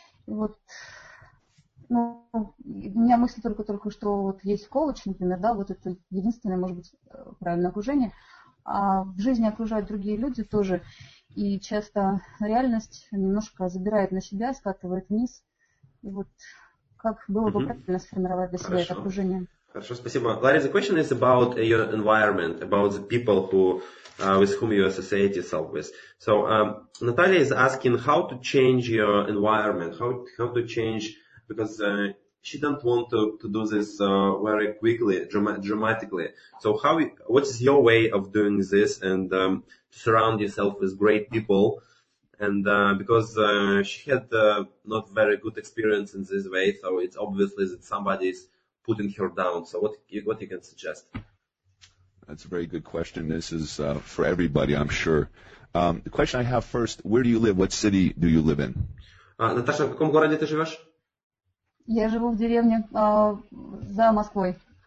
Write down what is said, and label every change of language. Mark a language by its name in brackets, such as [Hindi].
[Russian] И вот, ну, у меня мысль только, что вот есть коуч, например, да, вот это единственное, может быть, правильное окружение. А в жизни окружают другие люди тоже. И часто реальность немножко забирает на себя, скатывает вниз. И вот как было бы правильно сформировать для себя это окружение? Хорошо, спасибо. [English] Ларри, the question is about your environment, about the people who with whom you associate yourself with. So Natalia is asking how to change your environment, how to change, because she don't want to do this very quickly, dramatically. So how? What is your way of doing this and to surround yourself with great people? And because she had not very good experience in this way, so it's obviously that somebody is putting her down. So what you can suggest? That's a very good question. This is for everybody, I'm sure. The question I have first, where do you live? What city do you live in? [Russian] Наташа, в каком городе ты живешь? Я живу в деревне за Москвой.